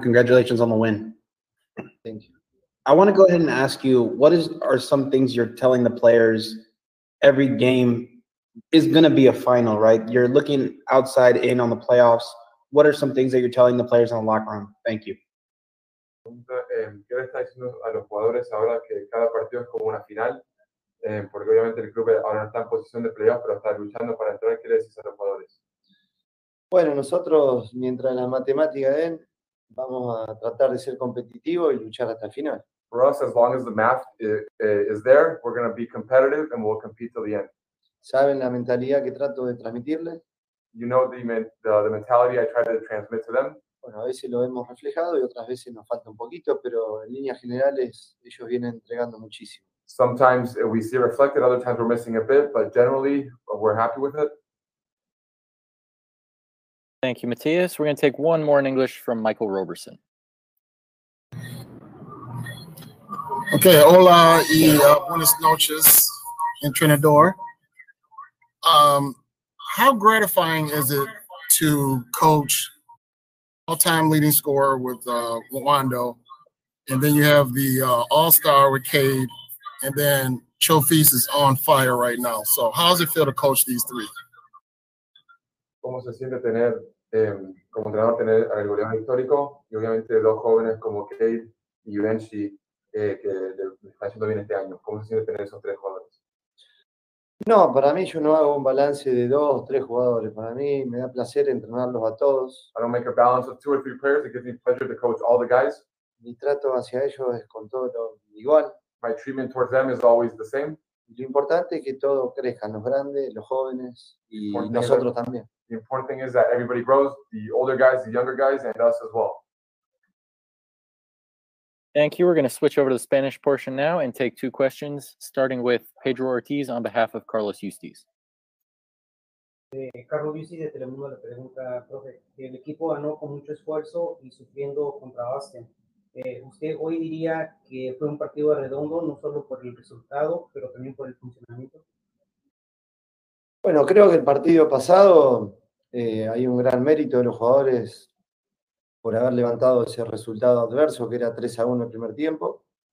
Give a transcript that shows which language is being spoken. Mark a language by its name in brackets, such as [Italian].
[English] Congratulations on the win. Thank you. I want to go ahead and ask you, what are some things you're telling the players every game is going to be a final, right? You're looking outside in on the playoffs. What are some things that you're telling the players in the locker room? Thank you. [Spanish] ¿Qué le estás diciendo a los jugadores ahora que cada partido es como una final? Porque obviamente el club ahora no está en posición de playoff, pero está luchando para entrar. ¿Qué le decís a los jugadores? Bueno, nosotros, mientras la matemática den, vamos a tratar de ser competitivos y luchar hasta el final. [English] For us, as long as the math is there, we're going to be competitive and we'll compete till the end. [Spanish] ¿Saben la mentalidad que trato de transmitirles? [English] You know the mentality I try to transmit to them. [Spanish] Bueno, a veces lo hemos reflejado y otras veces nos falta un poquito, pero en líneas generales ellos vienen entregando muchísimo. [English] Sometimes we see it reflected, other times we're missing a bit, but generally we're happy with it. Thank you, Matias. We're going to take one more in English from Michael Roberson. [Spanish] Okay, hola y buenas noches, entrenador. [English] How gratifying is it to coach all-time leading scorer with Wando, and then you have the all-star with Cade, and then Chofis is on fire right now. So how does it feel to coach these three? [Spanish] ¿Cómo se siente tener, como entrenador, tener al goleador histórico y obviamente dos jóvenes como Cade y Benji que están haciendo bien este año? ¿Cómo se siente tener esos tres jugadores? No, para mí yo no hago un balance de dos o tres jugadores. Para mí me da placer entrenarlos a todos. [English] I don't make a balance of two or three players. It gives me pleasure to coach all the guys. [Spanish] Mi trato hacia ellos es con todo igual. [English] My treatment towards them is always the same. [Spanish] Lo importante es que todos crezcan, los grandes, los jóvenes y nosotros también. [English] The important thing is that everybody grows, the older guys, the younger guys, and us as well. Thank you. We're going to switch over to the Spanish portion now and take two questions, starting with Pedro Ortiz on behalf of Carlos Justiz. [Spanish] Carlos Justiz de Telemundo le pregunta, profe, el equipo ganó con mucho esfuerzo y sufriendo contra Austin. ¿Usted hoy diría que fue un partido redondo, no solo por el resultado, pero también por el funcionamiento? Bueno, creo que el partido pasado hay un gran mérito de los jugadores por haber levantado ese resultado adverso, que era 3-1 el primer tiempo.